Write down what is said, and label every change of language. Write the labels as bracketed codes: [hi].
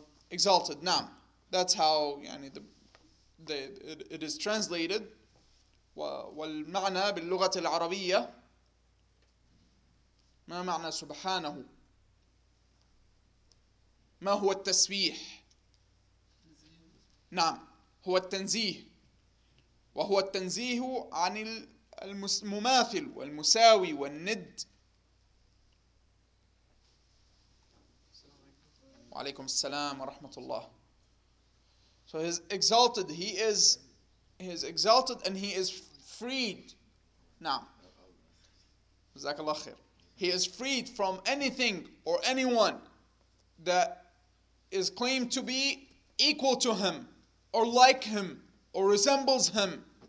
[en] Exalted, naam. That's how يعني, it is translated. [ar] والمعنى باللغة العربية ما معنى سبحانه؟ ما هو التسبيح؟ نعم هو التنزيه وهو التنزيه عن المماثل والمساوي والند. وعليكم السلام ورحمة الله. [en] So he is exalted. He is exalted and he is freed. [ar] نعم. جزاك الله خير. [en] He is freed from anything or anyone that is claimed to be equal to him or like him or resembles him.